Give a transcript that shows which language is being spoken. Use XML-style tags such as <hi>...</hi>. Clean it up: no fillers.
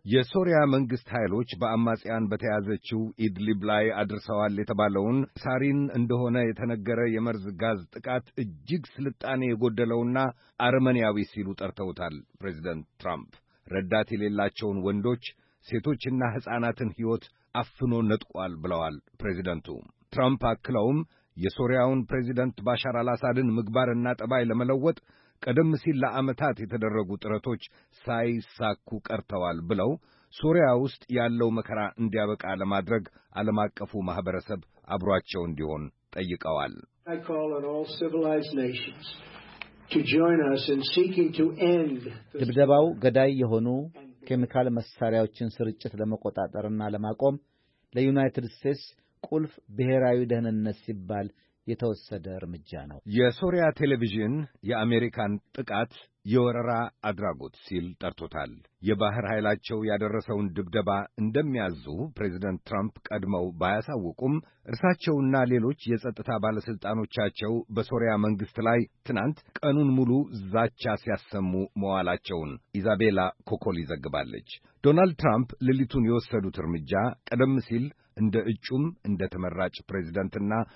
<am>የሶሪያ መንግስት ኃይሎች በአማጽያን በተያዘችው ኢድሊብ ላይ አድርሰዋል የተባለውን ሳሪን እንደሆነ የተነገረ የመርዝ ጋዝ ጥቃት እጅግ ስልጣኔ የጎደለውና አርመንያዊ ሲሉ ጠርተውታል ፕሬዚደንት ትራምፕ። ረዳት የሌላቸውን ወንዶች ሴቶችና ሕፃናትን ሕይወት አፍኖ ነጥቋል ብለዋል ፕሬዚደንቱ። ትራምፕ አክለውም የሶሪያውን ፕሬዚደንት ባሻር አላሳድን ምግባርና ጠባይ ለመለወጥ ቀደም ሲል ለዓመታት የተደረጉ ጥረቶች ሳይሳኩ ቀርተዋል ብለው ሶሪያ ውስጥ ያለው መከራ እንዲያበቃ ለማድረግ ዓለም አቀፉ ማኅበረሰብ አብሯቸው እንዲሆን ጠይቀዋል።</am> <en>I call on all civilized nations to join us in seeking to end</en> <am>ድብደባው ገዳይ የሆኑ ኬሚካል መሳሪያዎችን ስርጭት ለመቆጣጠርና ለማቆም ለዩናይትድ ስቴትስ ቁልፍ ብሔራዊ ደህንነት ሲባል የተወሰደ እርምጃ ነው። የሶሪያ ቴሌቪዥን የአሜሪካን ጥቃት የወረራ አድራጎት ሲል ጠርቶታል። የባህር ኃይላቸው ያደረሰውን ድብደባ እንደሚያዙ ፕሬዚደንት ትራምፕ ቀድመው ባያሳውቁም እርሳቸውና ሌሎች የጸጥታ ባለስልጣኖቻቸው በሶሪያ መንግስት ላይ ትናንት ቀኑን ሙሉ ዛቻ ሲያሰሙ መዋላቸውን ኢዛቤላ ኮኮሊ ዘግባለች። ዶናልድ ትራምፕ ሌሊቱን የወሰዱት እርምጃ ቀደም ሲል እንደ እጩም እንደ ተመራጭ ፕሬዝደንትና</am>